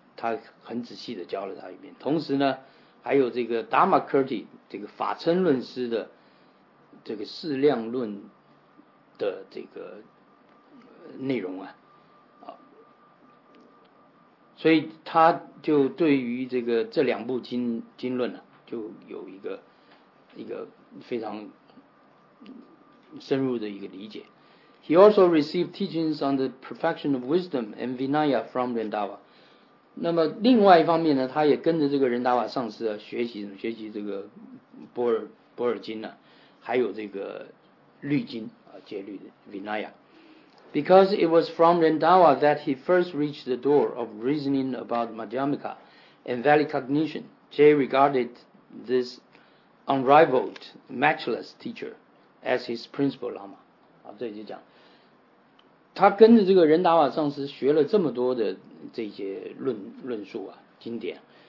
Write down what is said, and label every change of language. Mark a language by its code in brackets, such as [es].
[zh] 他很仔细的教了他一遍，同时呢还有这个 Dharmakirti 这个法称论师的这个四量论的这个内容啊，所以他就对于这两部经论呢、就有一个非常深入的一个理解。 [en] He also received teachings on the perfection of wisdom and Vinaya from Rindava。 [zh] 那么另外一方面呢，他也跟着这个仁达瓦上师啊学习这个波尔经啊，还有这个律经啊，戒律的 Vinaya。 [en] Because it was from Rindava that he first reached the door of reasoning about Madhyamika and valid cognition, Jay regarded this unrivaled matchless teacher as his principal lama。 [zh] 啊，这就讲他跟着这个仁达瓦上师学了这么多的这些论述啊，经典。